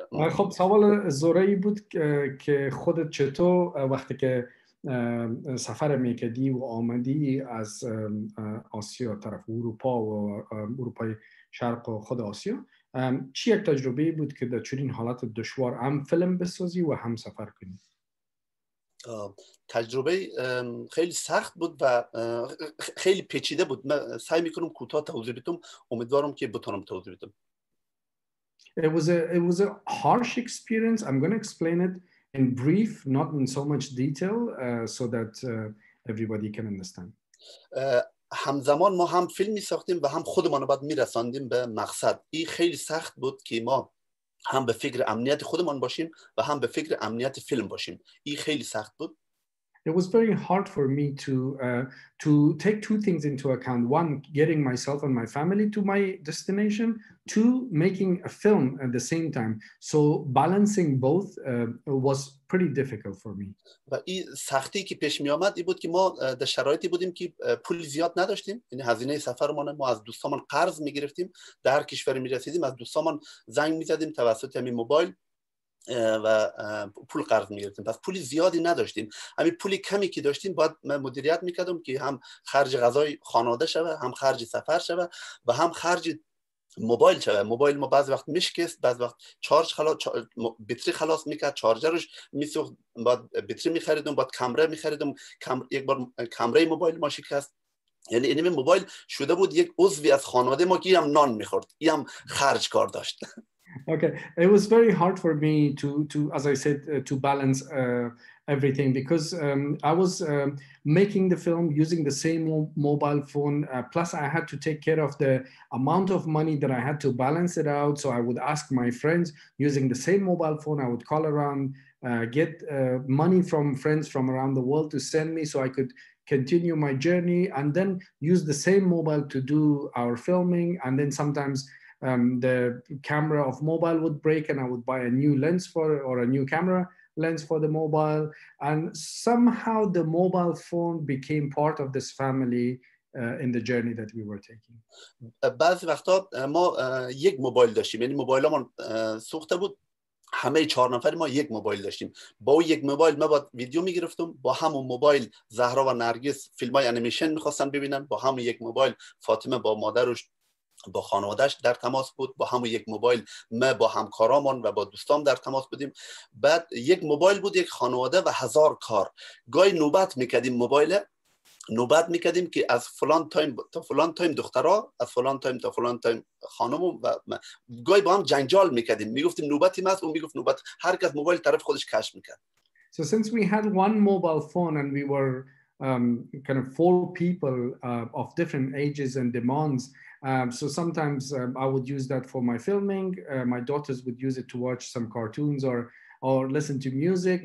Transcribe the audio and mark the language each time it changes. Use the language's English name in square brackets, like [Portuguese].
[Persian] خب سوال زوره ای بود که خودت چطور وقتی که سفر میکدی و آمدی از آسیا طرف اروپا و اروپای شرق و خود آسیا، چی یک تجربه ای بود که در چنین حالت دشوار هم فیلم بسازی و هم سفر کنی؟ تجربه خیلی سخت بود و خیلی پیچیده بود. من سعی میکنم کوتاه توضیح بدم، امیدوارم که بتونم توضیح بدم. [English] It was a harsh experience. I'm going to explain it in brief, not in so much detail, so that everybody can understand. همزمان ما هم فیلم می ساختیم و هم خودمان رو باید می رساندیم به مقصد. این خیلی سخت بود که ما هم به فکر امنیت خودمان باشیم و هم به فکر امنیت فیلم باشیم. این خیلی سخت بود. It was very hard for me to take two things into account. One, getting myself and my family to my destination. Two, making a film at the same time. So balancing both was pretty difficult for me. But [Persian] این سختی که پیش می آمد این بود که ما در شرایطی بودیم که پول زیاد نداشتیم. یعنی هزینه سفرمان ما از دوستامان قرض می گرفتیم. در هر کشوری می رسیدیم از دوستامان زنگ می زدیم توسط همین موبایل و پول قرض می‌گرفتیم. پس پول زیادی نداشتیم. همین پول کمی که داشتیم باید مدیریت می‌کردم که هم خرج غذای خانواده شود، هم خرج سفر شود و هم خرج موبایل چه موبایل ما بعض وقت میشکست بعض وقت چارج خلاص بطری خلاص میکرد چارجرش میسوخت بعد بطری میخریدم بعد کمره میخریدم یک بار کمره موبایل ما شکست یعنی این موبایل شده بود یک عضوی از خانواده ما که هم نان میخورد هم خرج کار داشت. [English] Okay, it was very hard for me to as I said, to balance everything because I was making the film using the same mobile phone. Plus, I had to take care of the amount of money that I had to balance it out. So I would ask my friends using the same mobile phone. I would call around, get money from friends from around the world to send me so I could continue my journey and then use the same mobile to do our filming. And then sometimes the camera of mobile would break and I would buy a new lens for it or a new camera lens for the mobile. And somehow the mobile phone became part of this family in the journey that we were taking. [Persian] بعضی وقتا ما یک موبایل داشتیم. یعنی موبایل ما سوخته بود. همه چهار نفر ما یک موبایل داشتیم. با او یک موبایل ما با ویدیو میگرفتم. با همون موبایل زهرا و نرگس فیلم های انیمیشن میخواستن ببینن. با همون یک موبایل فاطمه با مادرش با خانوادهش در تماس بود با همون یک موبایل ما با همکارامون و با دوستام در تماس بودیم بعد یک موبایل بود یک خانواده و هزار کار گاهی نوبت میکردیم موبایل نوبت میکردیم که از فلان تایم تا فلان تایم دخترها از فلان تایم تا فلان تایم خانمو و گاهی با هم جنجال میکردیم میگفتیم نوبتی ماست اون میگفت نوبت هر کس موبایل طرف خودش کش میکرد. [English] So since we had one mobile phone and we were kind of four people of different ages and demands, so sometimes I would use that for my filming. My daughters would use it to watch some cartoons or listen to music.